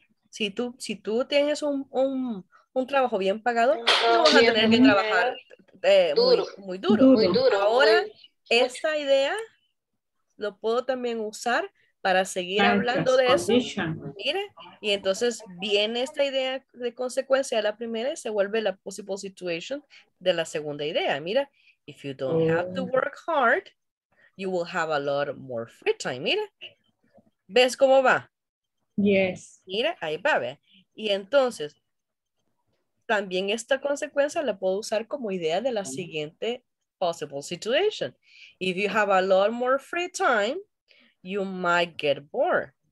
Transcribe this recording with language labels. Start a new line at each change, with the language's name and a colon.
Spanish: Si tú tienes un trabajo bien pagado, no vas a tener que trabajar. Muy duro. Ahora, esta idea lo puedo también usar para seguir hablando de eso. Mire, y entonces viene esta idea de consecuencia de la primera y se vuelve la
English: possible situation
Spanish: de la segunda idea.
English: Mira, if you don't have to work hard, you will have a lot more free time.
Spanish: Mira, ¿ves cómo va?
English: Yes.
Spanish: Mira, ahí va, ¿ve? Y entonces también esta consecuencia la puedo usar como idea de la siguiente
English: possible situation. If you have a lot more free time, you might get bored.